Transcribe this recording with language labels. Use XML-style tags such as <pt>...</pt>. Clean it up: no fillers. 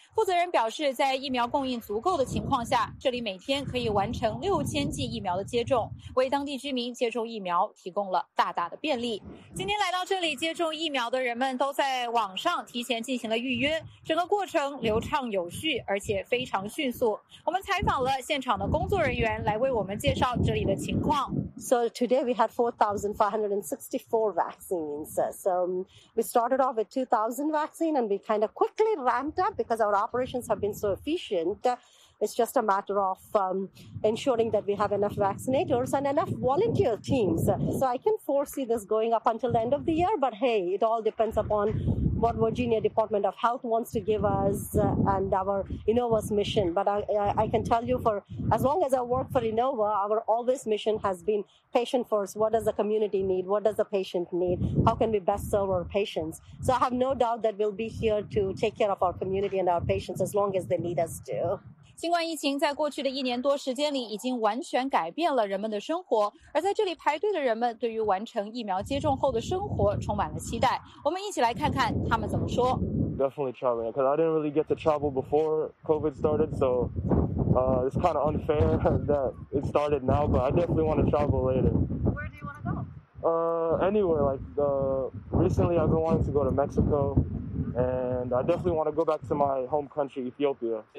<zh>负责人表示，在疫苗供应足够的情况下，这里每天可以完成6000剂疫苗的接种，为当地居民接种疫苗提供了大大的便利。今天来到这里接种疫苗的人们都在网上提前进行了预约，整个过程流畅有序，而且非常迅速。我们采访了现场的工作人员来为我们介绍这里的情况。</zh> <en>So today we had 4,564 vaccines. So we started off with 2,000 vaccine and we kind of quickly ramped up because our operations have been so efficient. It's just a matter of ensuring that we have enough vaccinators and enough volunteer teams. So I can foresee this going up until the end of the year. But hey, it all depends upon what Virginia Department of Health wants to give us and our Innova's mission. But I can tell you, for as long as I work for Innova, our always mission has been patient first. What does the community need? What does the patient need? How can we best serve our patients? So I have no doubt that we'll be here to take care of our community and our patients as long as they need us to.</en> <zh>新冠疫情在过去的一年多时间里已经完全改变了人们的生活，而在这里排队的人们对于完成疫苗接种后的生活充满了期待。我们一起来看看他们怎么说。</zh> <en>Definitely traveling, because I didn't really get to travel before COVID started, so it's kind of unfair that it started now, but I definitely want to travel later. Where do you want to go? Anywhere. Like, recently I've been wanting to go to Mexico. And I definitely want to go back to my home country, Ethiopia.</en>